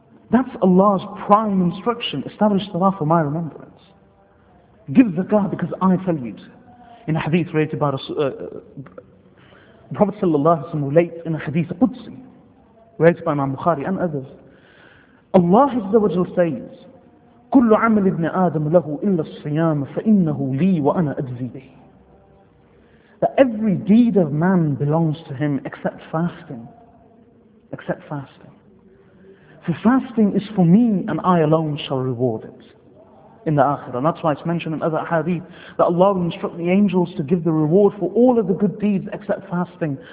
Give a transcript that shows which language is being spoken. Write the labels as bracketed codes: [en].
[en] That's Allah's prime instruction. Establish salah for my remembrance. Give zakah because I tell you to. In a hadith related by Prophet sallallahu alayhi wa sallam relates in a hadith Qudsi, related by Imam Bukhari and others. Allah Azza wa Jalla says, [ar] كل عمل ابن آدم له إلا الصيام فإنه لي وأنا أجزي به. [en] That every deed of man belongs to him except fasting. Except fasting. For fasting is for me and I alone shall reward it in the Akhirah. And that's why it's mentioned in other hadith that Allah will instruct the angels to give the reward for all of the good deeds except fasting.